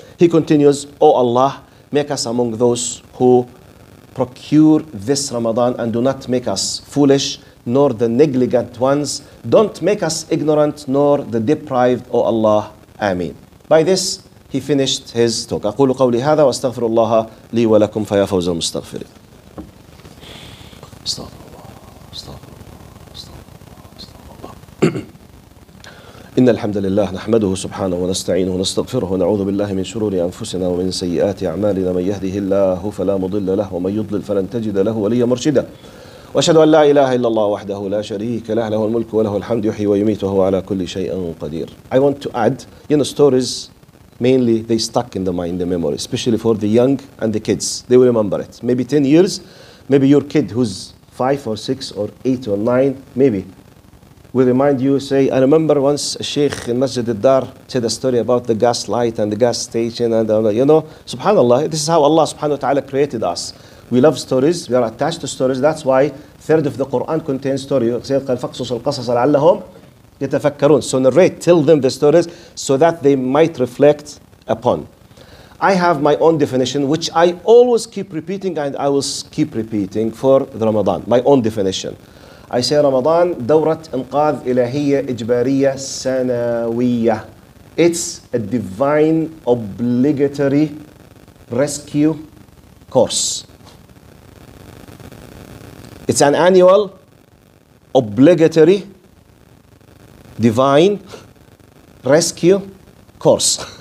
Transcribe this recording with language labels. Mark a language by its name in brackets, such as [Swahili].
[English] He continues, O Allah, make us among those who procure this Ramadan and do not make us foolish, nor the negligent ones. Don't make us ignorant, nor the deprived, O Allah. Ameen. By this, he finished his talk. [Arabic] أقول قولي هذا واستغفر الله لي ولكم فيا فوز المستغفرين. إن الحمد لله نحمده سبحانه ونستعينه ونستغفره ونعوذ بالله من شرور أنفسنا ومن سيئات أعمالنا من يهده الله فلا مضل له ومن يضلل فلن تجد له وليا مرشدا وأشهد أن لا إله إلا الله وحده لا شريك له له الملك وله الحمد يحيي ويميت وهو على كل شيء قدير. [English] I want to add, you know, stories mainly they stuck in the mind, the memory, especially for the young and the kids. They will remember it. Maybe 10 years, maybe your kid who's 5 or 6 or 8 or 9, maybe. We remind you, say, I remember once a sheikh in Masjid al-Dar said a story about the gas light and the gas station and all that. You know, subhanAllah, this is how Allah subhanahu wa ta'ala created us. We love stories, we are attached to stories. That's why third of the Quran contains stories. So narrate, tell them the stories so that they might reflect upon. I have my own definition, which I always keep repeating, and I will keep repeating for the Ramadan, my own definition. I say Ramadan, [Arabic] دورة إنقاذ إلهية إجبارية سنوية. [English] It's a divine obligatory rescue course. It's an annual obligatory divine rescue course.